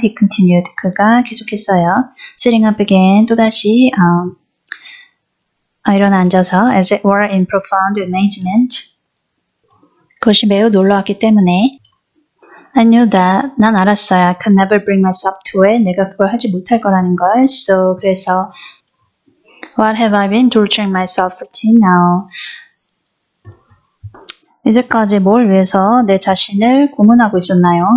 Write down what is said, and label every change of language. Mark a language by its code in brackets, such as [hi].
[en] He continued [ko] 그가 계속했어요 [en] sitting up again [ko] 또다시 일어나 앉아서 [en] as it were in profound amazement [ko] 그것이 매우 놀라웠기 때문에 [en] I knew that. [ko] 난 알았어요. [en] I could never bring myself to it. [ko] 내가 그걸 하지 못할 거라는 걸. [en] So, [ko] 그래서 [en] What have I been torturing myself for till now? [ko] 이제까지 뭘 위해서 내 자신을 고문하고 있었나요?